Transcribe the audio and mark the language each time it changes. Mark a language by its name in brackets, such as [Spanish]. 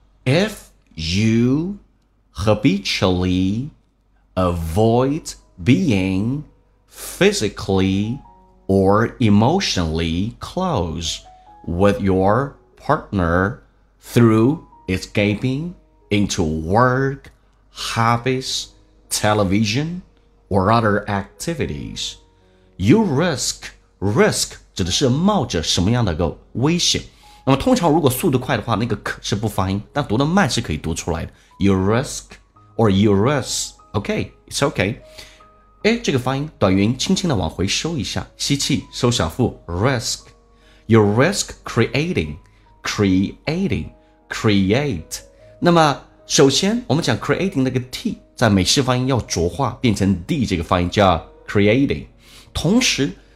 [English] If you habitually avoid being physically or emotionally close with your partner through escaping into work, hobbiestelevision or other activities, you risk [Chinese] 指的是冒着什么样的个危险。那么通常如果速度快的话，那个可是不发音，但读的慢是可以读出来的。 [English] You risk or you risk, okay, it's okay. [Chinese] 哎，这个发音，短元轻轻的往回收一下，吸气，收小腹 ，risk. [English] You risk creating, creating, create. [Chinese] 那么首先我们讲 creating 那个 t 在美式发音要浊化变成 d 这个发音叫 creating， 同时。